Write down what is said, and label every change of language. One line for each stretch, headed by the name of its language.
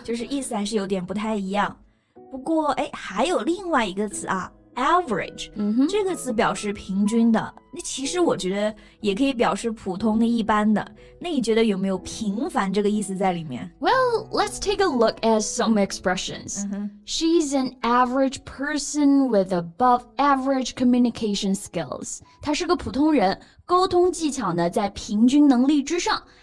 Chinese: 就是意思还是有点不太一样。不过哎，还有另外一个词啊， average、这个词表示平均的，那其实我觉得也可以表示普通的一般的，那你觉得有没有平凡这个意思在里面？
English: Well, let's take a look at some expressions. She's an average person with above average communication skills.
Chinese: 她是个普通人，沟通技巧呢在平均能力之上。